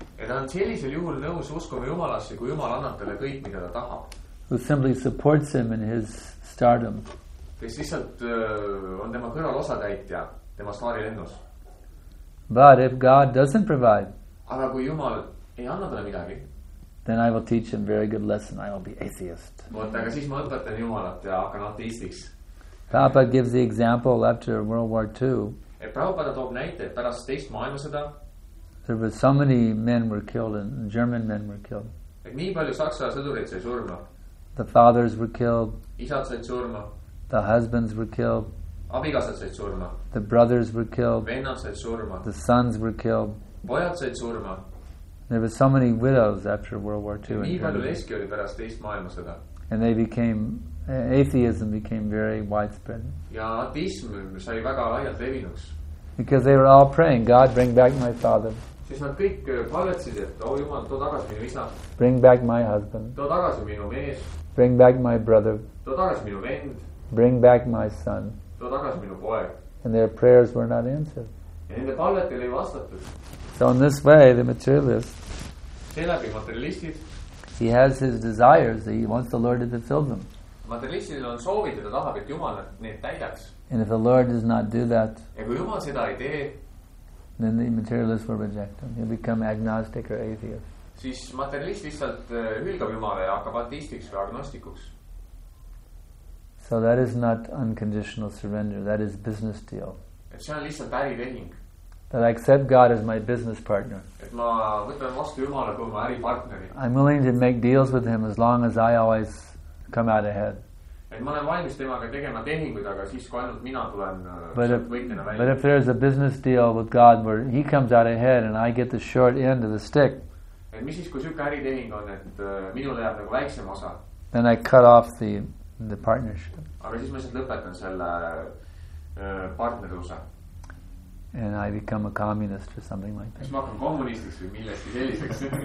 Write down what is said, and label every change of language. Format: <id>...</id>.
<et>Ja ta on sellisel juhul nõus uskuma Jumalasse, kui Jumal annab talle kõik, mida ta tahab.</et> <en>Who simply supports him in his stardom.</en> <et>Kes lihtsalt on tema kõrval osa täitja, tema staari lennus.</et> <en>But if God doesn't provide,</en> <et>aga kui Jumal ei anna tale midagi,</et> <en>then I will teach him a very good lesson. I will be atheist.</en> <et>Võt, aga siis ma õpetan Jumalat ja hakkan ateistiks.</et> <en>Papa gives the example after World War II.</en> <et>Et Prabhupada toob näite, et pärast teist maailmasõda,</et> <en>there were so many men were killed and German men were killed.</en> <et>Et nii palju saksa sõdureid sai surma.</et> <en>The fathers were killed.</en> <et>Isad said surma.</et> <en>The husbands were killed.</en> <et>Abikaasad said surma.</et> <en>The brothers were killed.</en> <et>Vennad said surma.</et> <en>The sons were killed.</en> <et>Pojad said surma.</et> <en>There were so many widows after World War II.</en> <et>Nii palju leski oli pärast teist maailmasõda.</et> <en>And they became, atheism became very widespread.</en> <et>Ja ateism sai väga laialt levinuks.</et> <en>Because they were all praying, God, bring back my father.</en> <et>Siis nad kõik palvetsid, et oh Jumal, too tagasi minu isa.</et> <en>Bring back my husband.</en> <et>Too tagasi minu mees.</et> <en>Bring back my brother.</en> <et>Too tagasi minu vend.</et> <en>Bring back my son.</en> <et>Too tagasi minu poeg.</et> <en>And their prayers were not answered.</en> <et>Ja nende palvetel ei vastatud.</et> <en>So in this way, the materialist,</en> <et>selläbi materialistid,</et> <en>he has his desires, he wants the Lord to fulfill them.</en> <et>Materialistid on soovid, ta tahab, et Jumal need täidaks.</et> <en>And if the Lord does not do that,</en> <et>ja kui Jumal seda ei tee,</et> <en>then the materialist will reject him. He'll become agnostic or atheist.</en> <et>Siis materialist lihtsalt hülgab Jumale ja hakkab ateistiks või agnostikuks.</et> <en>So that is not unconditional surrender. That is business deal.</en> <et>Et see on lihtsalt äritehing.</et> <en>That I accept God as my business partner.</en> <et>Et ma võtan vastu Jumale kui ma äripartneri.</et> <en>I'm willing to make deals with him as long as I always come out ahead.</en> <et>Et ma olen valmis temaga tegema tehinguid, aga siis kui ainult mina tulen võitlina välja.</et> <en>But if there is a business deal with God where he comes out ahead and I get the short end of the stick.</en> <et>Et mis siis kui sükka äri tehing on, et minule jääb nagu väiksem osa.</et> <en>Then I cut off the partnership.</en> <et>Aga siis ma siis lõpetan selle partneruse.</et> <en>And I become a communist or something like that.</en> <et>Siis ma hakkan kommunistiks või millestki selliseks.</et>